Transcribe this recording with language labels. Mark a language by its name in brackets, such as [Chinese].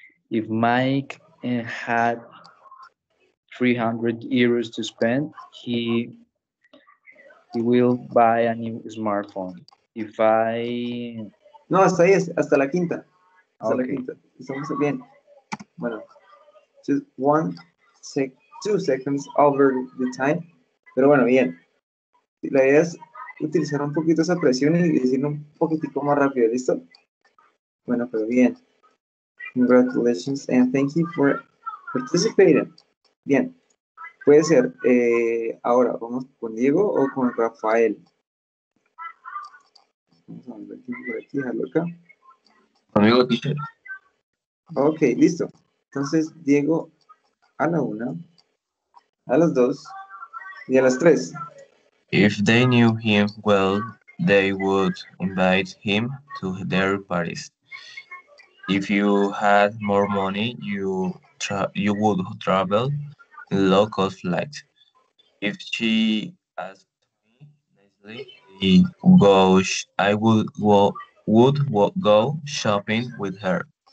[English] If Mike had 300 euros to spend, he will buy a new smartphone. If I... [Spanish] No, hasta ahí, hasta la quinta. Hasta okay. La quinta. Estamos bien. Bueno, [English] just one sec, 2 seconds over the time. [Spanish] Pero bueno, bien. La idea es utilizar un poquito esa presión y decir un poquitico más rápido, ¿listo? Bueno, pero bien. [English] Congratulations and thank you for participating. [Spanish] Bien. Puede ser ahora, vamos con Diego o con Rafael. Vamos a ver quién por aquí, dejarlo acá. Conmigo, teacher. Ok, listo. Entonces, Diego, a la una, a las dos y a las tres. [English] If they knew him well, they would invite him to their parties. If you had more money, you would travel in low-cost flights. If she asked me nicely, I would go shopping with her.